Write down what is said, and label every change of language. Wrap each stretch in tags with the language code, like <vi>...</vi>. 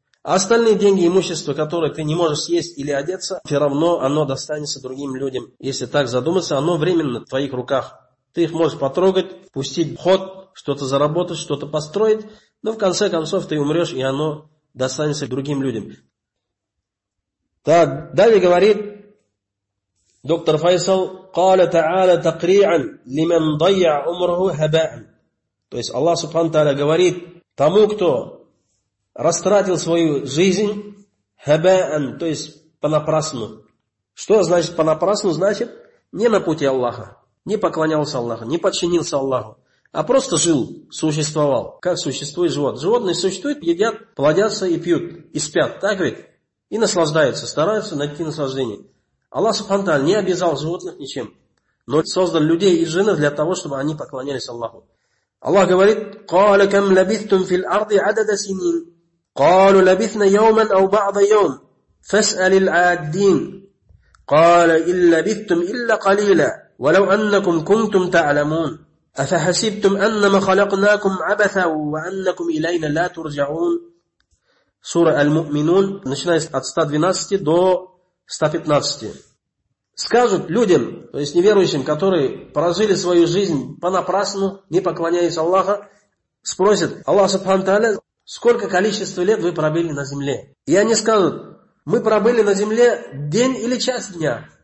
<ru>А остальные деньги, имущество, которое ты не можешь съесть или одеться, все равно оно достанется другим людям. Если так задуматься, оно временно в твоих руках. Ты их можешь потрогать, пустить в ход, что-то заработать, что-то построить, но в конце концов ты умрешь, и оно достанется другим людям. Так, далее говорит доктор Файсал,</ru> <ar>قال تعالى تقريعا لمن ضيع عمره هباء.</ar> <ru>То есть Аллах Субхану Тааля говорит тому, кто растратил свою жизнь, хабаан, то есть понапрасну. Что значит понапрасну? Значит, не на пути Аллаха, не поклонялся Аллаху, не подчинился Аллаху, а просто жил, существовал, как существует животное. Животные существуют, едят, плодятся и пьют, и спят, так ведь? И наслаждаются, стараются найти наслаждение. Аллах Субхану Тааля не обязал животных ничем, но создал людей и жены для того, чтобы они поклонялись Аллаху. Аллах говорит,</ru> <ar>قَالَ كَمْ لَبِثْتُمْ فِي الْأَرْضِ عَدَدَ سِنِينَ قَالُوا لَبِثْنَا يَوْمًا أَوْ بَعْضَ يَوْمٍ فَاسْأَلِ الْعَادِّينَ قَالَ إِنْ لَبِثْتُمْ إِلَّا قَلِيلًا وَلَوْ أَنَّكُمْ كُنْتُمْ تَعْلَمُونَ أَفَحَسِبْتُمْ أَنَّمَا خَلَقْنَاكُمْ عَبَثًا وَأَنَّكُمْ إِلَيْنَا لَا تُرْجَعُونَ سورة المؤمنون</ar> <ru>начиная от 112 до 115. Скажут людям, то есть неверующим, которые прожили свою жизнь понапрасну, не поклоняясь Аллаху, спросят Аллах Субхану Тааля, сколько количества лет вы пробыли на земле? И они скажут, мы пробыли на земле день или час дня.</ru>